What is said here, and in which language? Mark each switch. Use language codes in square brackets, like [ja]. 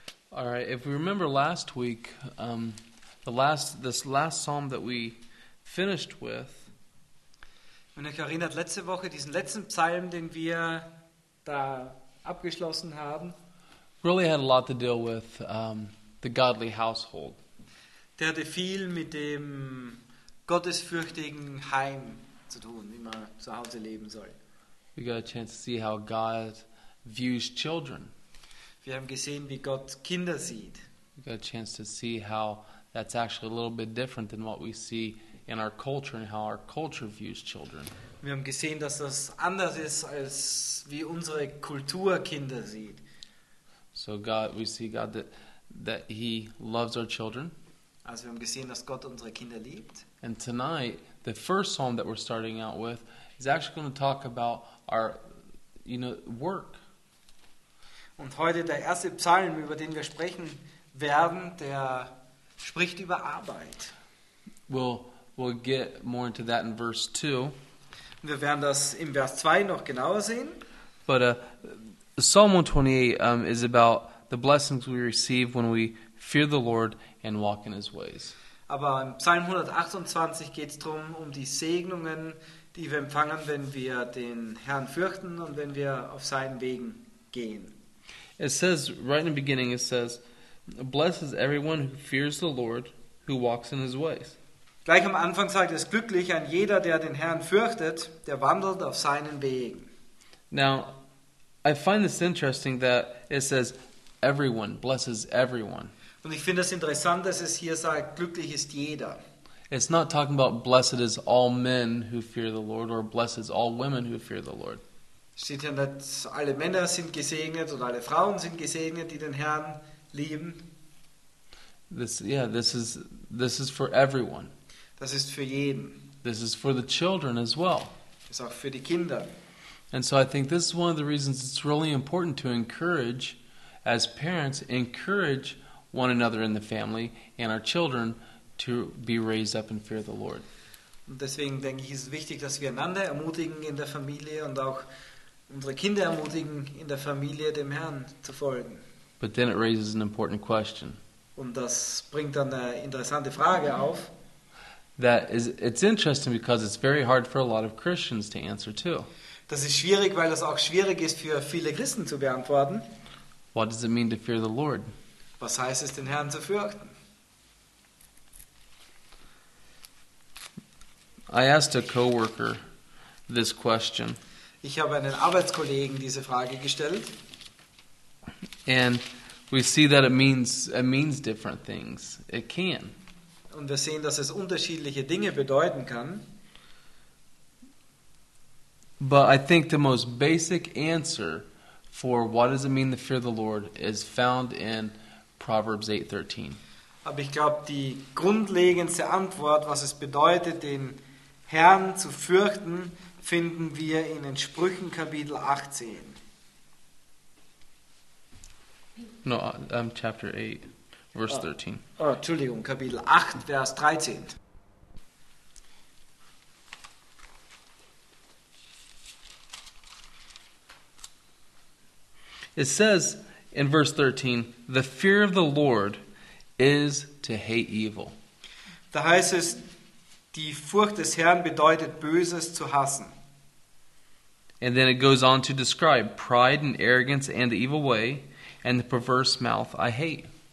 [en] All right, if we remember last week, this last psalm that we finished with. [de] Wenn ihr euch erinnert, letzte Woche diesen letzten Psalm, den wir da abgeschlossen haben. [en] Really had a lot to deal with the godly household. [de] Der hatte viel mit dem gottesfürchtigen Heim zu tun, wie man zu Hause leben soll. [en] We got a chance to see how God views children. [de] Wir haben gesehen, wie Gott Kinder sieht. [en] We got a chance to see how that's actually a little bit different than what we see in our culture and how our culture views children. [de] Wir haben gesehen, dass das anders ist als wie unsere Kultur Kinder sieht. [en] So we see God that he loves our children. [de] Also wir haben gesehen, dass Gott unsere Kinder liebt. [en] And tonight, the first psalm that we're starting out with is actually going to talk about our, you know, work. [de] Und heute der erste Psalm, über den wir sprechen werden, der spricht über Arbeit. [en] We'll get more into that in verse 2. [de] Wir werden das im Vers 2 noch genauer sehen. [en] But Psalm 128 is about the blessings we receive when we fear the Lord and walk in his ways. [de] Aber im Psalm 128 geht es darum, um die Segnungen, die wir empfangen, wenn wir den Herrn fürchten und wenn wir auf seinen Wegen gehen. [en] It says, right in the beginning, it says, blesses everyone who fears the Lord, who walks in his ways. [de] Gleich am Anfang sagt es, glücklich an jeder, der den Herrn fürchtet, der wandelt auf seinen Wegen. [en] Now, I find this interesting that it says, everyone, blesses everyone. [de] Und ich finde es interessant, dass es hier sagt, glücklich ist jeder. [en] It's not talking about blessed is all men who fear the Lord, or blessed is all women who fear the Lord. [de] Steht ja nicht, alle Männer sind gesegnet und alle Frauen sind gesegnet, die den Herrn lieben. [en] This is for everyone. [de] Das ist für jeden. [en] This is for the children as well. [de] Das ist auch für die Kinder. [en] And so I think this is one of the reasons it's really important to encourage, as parents, encourage one another in the family and our children to be raised up in fear of the Lord. [de] Und deswegen denke ich, ist es wichtig, dass wir einander ermutigen in der Familie und auch unsere Kinder ermutigen, in der Familie dem Herrn zu folgen. [en] But then it raises an important question. [de] Und das bringt dann eine interessante Frage auf. [en] That is, it's interesting because it's very hard for a lot of Christians to answer too. [de] Das ist schwierig, weil das auch schwierig ist für viele Christen zu beantworten. [en] What does it mean to fear the Lord? [de] Was heißt es, den Herrn zu fürchten? [en] I asked a coworker this question. [de] Ich habe einen Arbeitskollegen diese Frage gestellt. [en] And we see that it means different things. It can. [de] Und wir sehen, dass es unterschiedliche Dinge bedeuten kann. [en] But I think the most basic answer for what does it mean to fear the Lord is found in Proverbs 8:13. [de] Aber ich glaube, die grundlegendste Antwort, was es bedeutet, den Herrn zu fürchten, finden wir in den Sprüchen Kapitel 18. [en] No, chapter 8, verse 13. [de] Oh, Entschuldigung, Kapitel 8, Vers 13. [en] It says in verse 13, the fear of the Lord is to hate evil. [de] Da heißt es, die Furcht des Herrn bedeutet, Böses zu hassen. [en] And then it goes on to describe pride and arrogance and the evil way and the perverse mouth I hate.